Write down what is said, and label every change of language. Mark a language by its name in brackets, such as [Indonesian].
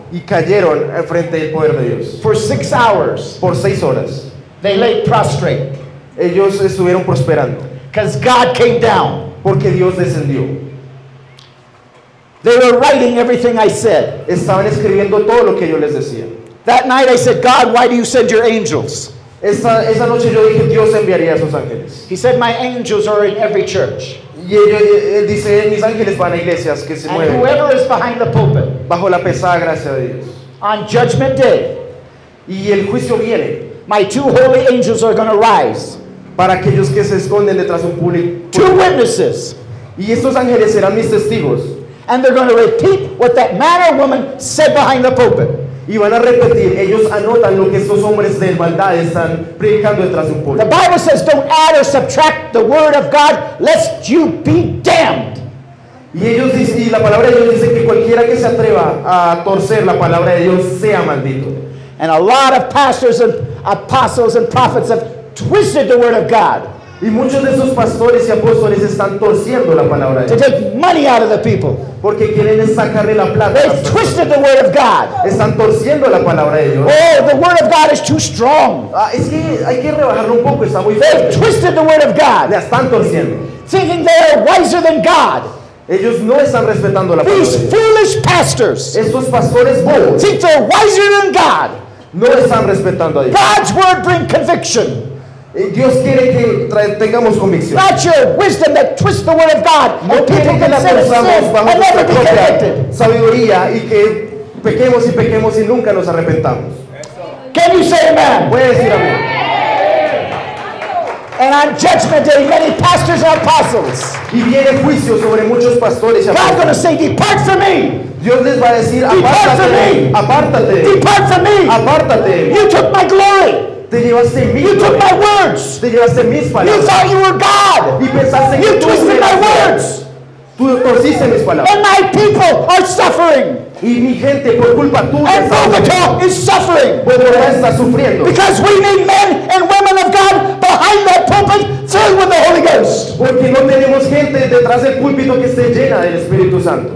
[Spanish] Y cayeron al frente del poder de Dios. [English] For 6 hours. [Spanish] Por 6 horas. [English] They lay prostrate. [Spanish] Ellos estuvieron prosperando. [English] Because God came down. [Spanish] Porque Dios descendió. [English] They were writing everything I said. [Spanish] Estaban escribiendo todo lo que yo les decía. [English] That night I said, God, why do you send your angels? [Spanish] Esa noche yo dije, Dios enviaría a sus ángeles. [English] He said, my angels are in every church. [Spanish] Y él dice, mis ángeles van a iglesias que se [English] and [Spanish] mueven. [English] And whoever is behind the pulpit. [Spanish] Bajo la pesada gracia de Dios. [English] On judgment day. [Spanish] Y el juicio viene. [English] My two holy angels are going to rise. [Spanish] Para aquellos que se esconden detrás de un púlpito. [English] Two witnesses. [Spanish] Y estos ángeles serán mis testigos. [English] And they're going to repeat what that man or woman said behind the pulpit. [Spanish] Y van a repetir, ellos anotan lo que estos hombres de maldad están predicando detrás de un pulpito. [English] The Bible says, don't add or subtract the word of God, lest you be damned. [Spanish] Y ellos dicen, y la palabra de Dios dice que cualquiera que se atreva a torcer la palabra de Dios sea maldito. [English] And a lot of pastors and apostles and prophets have twisted the word of God. [Spanish] Y muchos de esos pastores y apóstoles están torciendo la palabra de Dios. [English] To take money out of the people. [Spanish] Porque quieren sacarle la plata. [English] They've twisted the word of God. [Spanish] Están torciendo la palabra de Dios. [English] Oh, the word of God is too strong. [Spanish] Es que hay que rebajarlo un poco, está muy fuerte. [English] They've twisted the word of God. [Spanish] La están torciendo. [English] Thinking they are wiser than God. [Spanish] Ellos no están respetando la palabra de Dios. [English] These foolish pastors. [Spanish] Estos pastores bobos. [English] Think they're wiser than God. [Spanish] No están respetando a Dios. [English] God's word brings conviction. [Spanish] Dios quiere que tengamos convicción. [English] Not your wisdom that twists the word of God. [Spanish] No quiere que la torzamos bajo nuestra propia sabiduría y que pequemos y pequemos y nunca nos arrepentamos. [English] Can you say amen? [Spanish] ¿Puedes decir amén? [English] And on judgment day, many pastors and apostles. [Spanish] Y viene juicio sobre muchos pastores y apóstoles. [English] God's going to say, depart from me. [Spanish] Dios les va a decir, apártate. Apártate. [English] Depart from me. [Spanish] Apártate. [English] You took my glory. [Spanish] Te llevaste mi [English] you took my words. [Spanish] Te llevaste mis palabras. [English] You thought you were God. [Spanish] Y pensaste [English] you [Spanish] que tú [English] twisted my words. [Spanish] Tú torciste mis palabras. [English] And my people are suffering. [Spanish] Y mi gente por culpa tuya. [English] And Bogotá is suffering. [Spanish] Bogotá está sufriendo. [English] Because we need men and women of God behind that pulpit filled with the Holy Ghost. [Spanish] Porque no tenemos gente detrás del púlpito que esté llena del Espíritu Santo.